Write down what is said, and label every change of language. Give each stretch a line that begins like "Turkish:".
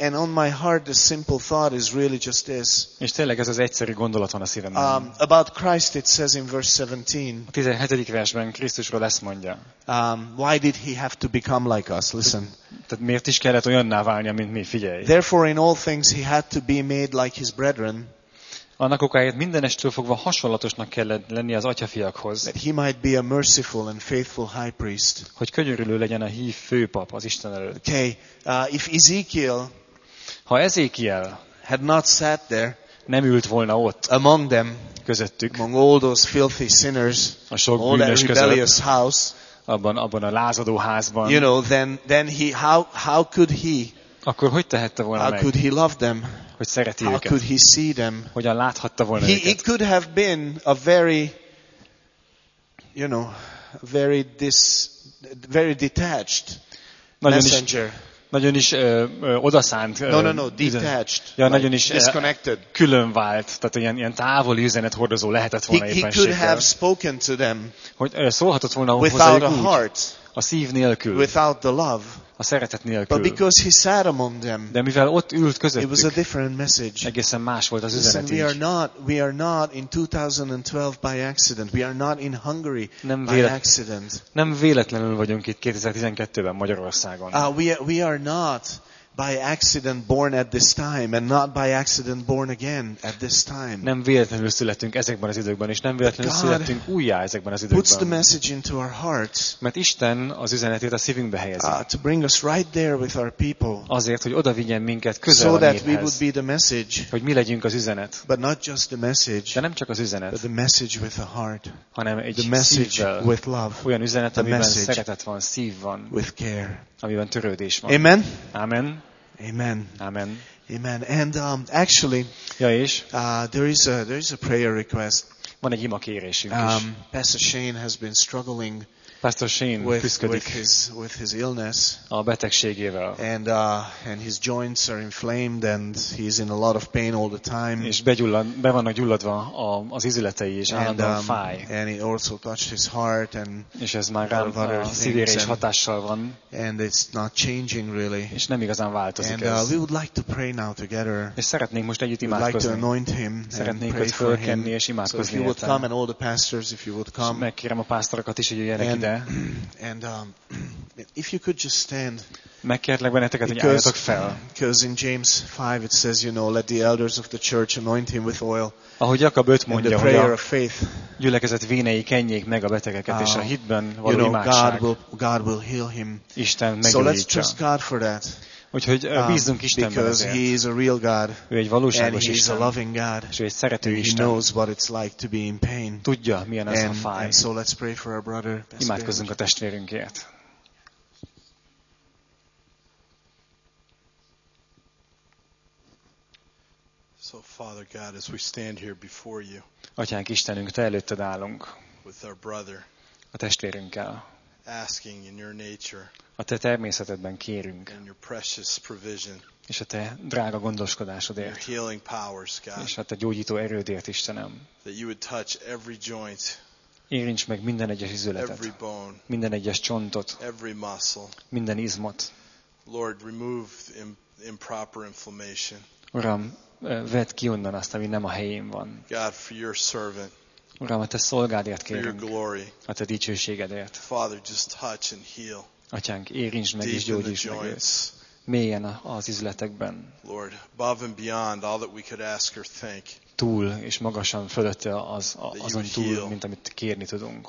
English: And on my heart, the simple thought is really just this.
Hungarian: És tényleg ez az egyszerű gondolat van a szívemben.
English: About Christ, it says in verse 17.
Hungarian: A 17. versben Krisztusról ezt mondja.
English: Why did he have to become like us? Listen.
Hungarian: Tehát miért is kellett olyanná válnia, mint mi? Figyelj.
English: Therefore, in all things, he had to be made like his brethren.
Hungarian: Annak okáért mindenestől fogva hasonlatosnak kellett lenni az atyafiakhoz.
English: That he might be a merciful and faithful high priest.
Hungarian: Hogy könyörülő legyen a hív főpap az Isten előtt.
English: Okay, if Ezekiel,
Hungarian: ha Ezekiel
English: had not sat there,
Hungarian: nem ült volna ott,
English: among them,
Hungarian: közöttük,
English: among all those filthy sinners,
Hungarian: a sok
English: all
Hungarian: bűnös
English: that rebellious
Hungarian: között,
English: house,
Hungarian: abban a lázadó házban,
English: you know, then he, how could he,
Hungarian: akkor hogy tehette volna
English: how
Hungarian: meg?
English: Could he love them?
Hungarian: Hogy szereti
English: how
Hungarian: őket.
English: Could he see them?
Hungarian: Hogyan láthatta volna
English: he,
Hungarian: őket?
English: He could have been a very, you know, very very detached
Hungarian: nagyon
English: messenger.
Hungarian: Nagyon is odaszánt.
English: No, detached.
Hungarian: Ja, like nagyon is
English: disconnected.
Hungarian: Külön vált, tehát ilyen távoli üzenet hordozó lehetett volna éppenséggel.
English: He could have spoken to them.
Hungarian: Hogy szólhatott volna
English: without a heart.
Hungarian: A szív nélkül.
English: Without the love.
Hungarian: A szeretet nélkül.
English: But because he sat among them,
Hungarian: de mivel ott ült közöttük,
English: it was a different message.
Hungarian: Egészen más volt az üzenet.
English: Listen, we are not in 2012 by accident. We are not in Hungary by accident.
Hungarian: Nem véletlenül vagyunk itt 2012-ben Magyarországon.
English: We are not by accident born at this time and not by accident born again at this time.
Hungarian: Nem véletlenül születtünk ezekben az időkben, és nem véletlenül születtünk újjá ezekben az időkben.
English: Puts the message into our hearts.
Hungarian: Mert Isten az üzenetét a szívünkbe helyezi.
English: To bring us right there with our people.
Hungarian: Azért, hogy oda vigyen minket közel a néphez.
English: So that we would be the message.
Hungarian: Hogy mi legyünk az üzenet.
English: But not just the message.
Hungarian: De nem csak az üzenet.
English: But the message with a heart.
Hungarian: Hanem egy
English: the message
Hungarian: szívvel.
English: With love.
Hungarian: Olyan üzenet,
English: the
Hungarian: amiben
English: message.
Hungarian: Szeretet van, szív van.
English: With care.
Hungarian: Amiben törődés van.
English: Amen. Amen. Amen. Amen. Amen. And actually,
Hungarian: ja is.
English: There is a prayer request.
Hungarian: Van egy ima kérésünk is.
English: Pastor Shane has been struggling.
Hungarian: Pastor Shane küzdik
English: with his illness.
Hungarian: A betegségével.
English: And his joints are inflamed and he's in a lot of pain all the time.
Hungarian: És be vannak gyulladva az ízületei és állandóan fáj.
English: And it also touched his heart and
Hungarian: és ez már rám a szívére is hatással van.
English: And it's not changing really.
Hungarian: És nem igazán változik
English: and,
Hungarian: ez.
English: And we would like to pray now together.
Hungarian: És szeretnénk most együtt imádkozni.
English: Like to anoint him.
Hungarian: Szeretnénk őt fölkenni és imádkozni.
English: So if you would come and all the pastors if you would come.
Hungarian: Megkérem a pásztorokat is, hogy jöjjenek.
English: And if you could just stand,
Hungarian: megkértlek benneteket, hogy álljatok fel.
English: Because in James 5 it says, you know, let the elders of the church anoint him with oil.
Hungarian: Ahogy Jakab 5 mondja,
English: the prayer of faith.
Hungarian: Gyülekezet vénei kenjék meg a betegeket és a hitben való imádság.
English: You know, God will heal him.
Hungarian: Isten meggyógyítja.
English: So let's trust God for that.
Hungarian: Úgyhogy bízunk Istenben.
English: Because he is a real God.
Hungarian: Ő egy valóságos Isten.
English: And he is a loving God.
Hungarian: És ő egy szerető Isten.
English: He knows what it's like to be in pain.
Hungarian: Tudja, milyen az, ha fáj.
English: And so let's pray for our brother.
Hungarian: Imádkozzunk a testvérünkért.
English: So Father God, as we stand here before you.
Hungarian: Atyánk Istenünk, te előtted állunk.
English: With our brother.
Hungarian: A testvérünkkel.
English: Asking in your nature.
Hungarian: A te természetedben kérünk.
English: And your precious provision.
Hungarian: És a te drága gondoskodásodért.
English: Your healing powers, God.
Hungarian: És a te gyógyító erődért, Istenem.
English: That you would touch every joint.
Hungarian: Érints meg minden egyes izületet.
English: Every bone.
Hungarian: Minden egyes csontot.
English: Every muscle.
Hungarian: Minden izmot.
English: Lord, remove improper inflammation.
Hungarian: Uram, vedd ki onnan azt, ami nem a helyén van.
English: God, for your servant.
Hungarian: Uram, a te szolgádért kérünk.
English: For your glory.
Hungarian: A te dicsőségedért.
English: Father, just touch and heal.
Hungarian: Atyánk, érintsd meg
English: deep
Hungarian: és gyógyíts meg
English: joints.
Hungarian: Őt. Mélyen az izletekben.
English: Lord, above and beyond all that we could ask or think.
Hungarian: Túl és magasan fölötte az, azon túl, mint amit kérni tudunk,